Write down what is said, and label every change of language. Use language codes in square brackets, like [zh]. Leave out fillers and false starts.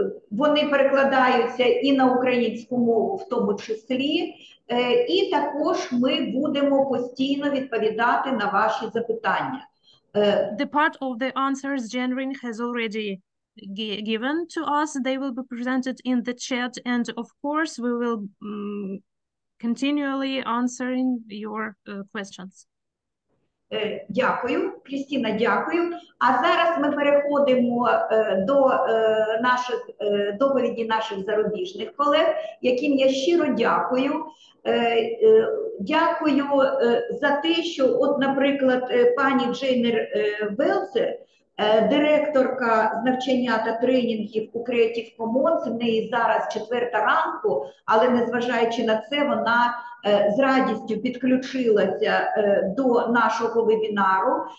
[uk] Вони перекладаються і на українську мову в тому числі, і також ми будемо постійно відповідати на ваші запитання. [en] The part of the answers Jen Rin has already given to us, they will be presented in the chat, and of course we will continually answering your questions. [uk] Дякую, Крістіна, дякую. А зараз ми переходимо до наших доповіді наших зарубіжних колег, яким я щиро дякую. Дякую за те, що, от, наприклад, пані Дженнер Велсер, директорка з навчання та тренінгів у Creative Commons, в неї зараз четверта ранку, але незважаючи на це, вона з радістю підключилася до нашого вебінару.